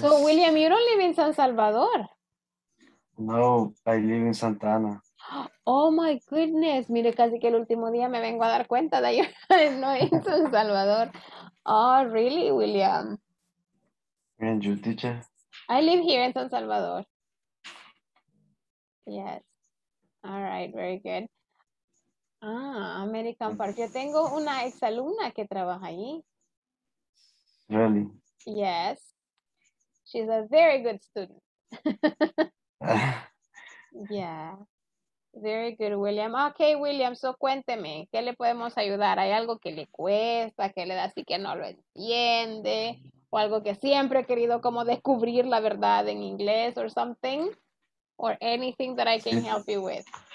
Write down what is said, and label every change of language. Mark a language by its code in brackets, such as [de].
[en] So, William, you don't live in San Salvador? No, I live in Santa Ana. Oh, my goodness. [es] Mire, casi que el último día me vengo a dar cuenta de que no es en San Salvador. [en] Oh, really, William? And you, teacher? I live here in San Salvador. Yes. All right, very good. Ah, American Park. [es] Yo tengo una exalumna que trabaja ahí. [en] Really? Yes. She's a very good student. Yeah. Very good, William. [es] Okay, William, so cuénteme, ¿qué le podemos ayudar? ¿Hay algo que le cuesta, que le da así que no lo entiende? ¿O algo que siempre he querido como descubrir la verdad en inglés [en] or something? ¿Or anything that I can help you with?